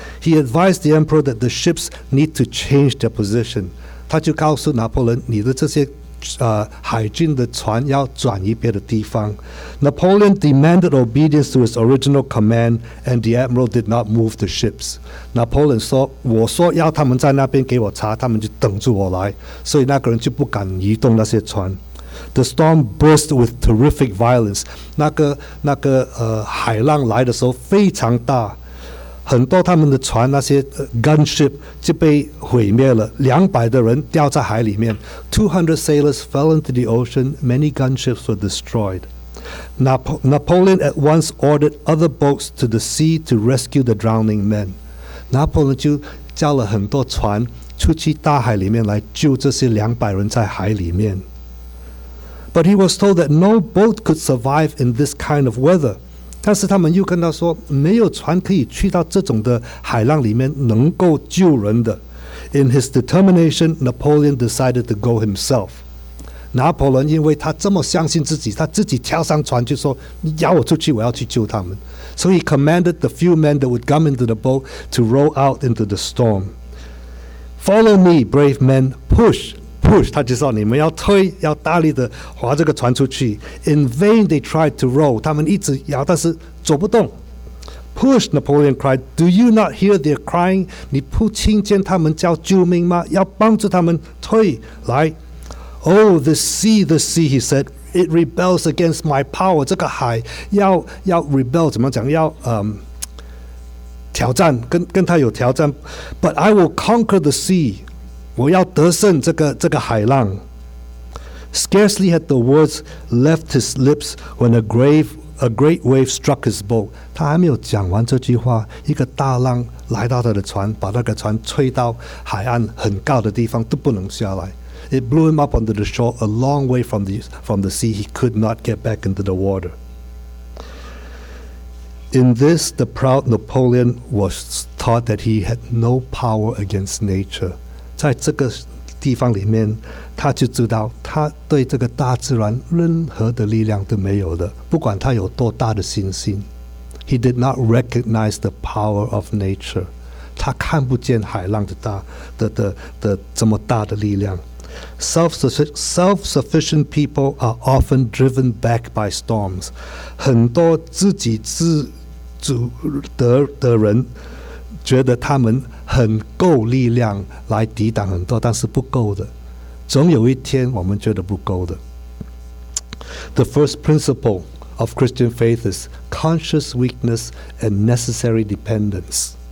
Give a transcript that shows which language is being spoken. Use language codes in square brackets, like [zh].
[en] He advised the emperor that the ships need to change their position. [zh] 他就告诉拿破仑，你的这些海军的船要转移别的地方。 [en] Napoleon demanded obedience to his original command, and the admiral did not move the ships. [zh] Napoleon 说，我说要他们在那边给我查，他们就等着我来，所以那个人就不敢移动那些船。 [en] The storm burst with terrific violence. [zh] 那个海浪来的时候非常大，很多他们的船那些 gunship 就被毁灭了，200的人掉在海里面。 [en] 200 sailors fell into the ocean, many gunships were destroyed. Napoleon at once ordered other boats to the sea to rescue the drowning men. [zh] Napoleon 就叫了很多船出去大海里面来救这些200人在海里面。 [en] But he was told that no boat could survive in this kind of weather. [zh] 但是他们又跟他说，没有船可以去到这种的海浪里面能够救人的。 [en] In his determination, Napoleon decided to go himself. [zh] 拿破仑因为他这么相信自己，他自己跳上船就说，你要我出去，我要去救他们。 [en] So he commanded the few men that would come into the boat to row out into the storm. Follow me, brave men, push. Push, [zh] 他就说你们要推，要大力的划这个船出去。 [en] In vain they tried to row, [zh] 他们一直摇，但是走不动。 [en] Push, Napoleon cried, do you not hear their crying? [zh] 你不听见他们叫救命吗？要帮助他们推来。 [en] Oh, the sea, he said, it rebels against my power. [zh] 这个海要 rebel, 怎么讲？要挑战，跟他有挑战。 [en] But I will conquer the sea. [zh] 我要得胜这个海浪。 [en] Scarcely had the words left his lips when a great wave struck his boat. [zh] 他还没有讲完这句话，一个大浪来到他的船，把那个船吹到海岸很高的地方都不能下来。 [en] It blew him up onto the shore a long way from the sea. He could not get back into the water. In this, the proud Napoleon was taught that he had no power against nature. [zh] 在这个地方里面，他就知道他对这个大自然任何的力量都没有的，不管他有多大的信心。 [en] He did not recognize the power of nature. [zh] 他看不见海浪的大的这么大的力量。 [en] Self-sufficient people are often driven back by storms. [zh] 很多自给自足的人觉得他们很够力量来抵挡很多，但是不够的，总有一天我们觉得不够的。 [en] The first principle of Christian faith is conscious weakness and necessary dependence.